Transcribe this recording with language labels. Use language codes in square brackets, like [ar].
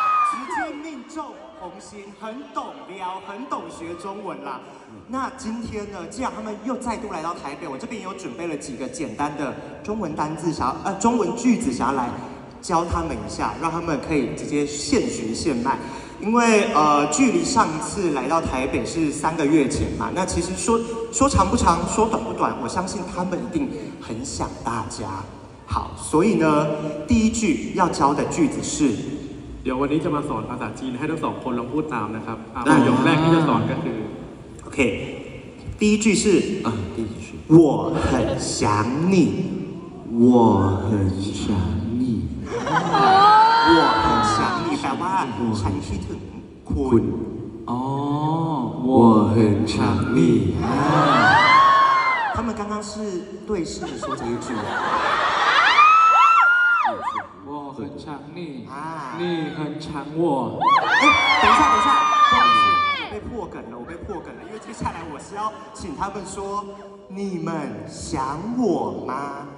[zh] 直接命中红心很懂聊很懂学中文啦那今天呢既然他们又再度来到台北我这边有准备了几个简单的中文单字中文句子想要来教他们一下让他们可以直接现学现卖因为距离上一次来到台北是三个月前嘛那其实说长不长说短不短我相信他们一定很想大家好所以呢第一句要教的句子是 [th] เดี๋ยววันนี้จะมาสอนภาษาจีนให้ทั้งสองคนลองพูดตามนะครับประโยคแรกที่จะสอนก็คือ [zh] โอเค第一句是第一句我很想你我很想你我很想你 [th] แปลว่าฉันคิดถึงคุณ [zh] อ๋อ我很想你他们刚刚是对视的说这一句我很你很抢我。哎，等一下，等一下，不好意思，被破梗了，我被破梗了，因为接下来我是要请他们说，你们想我吗？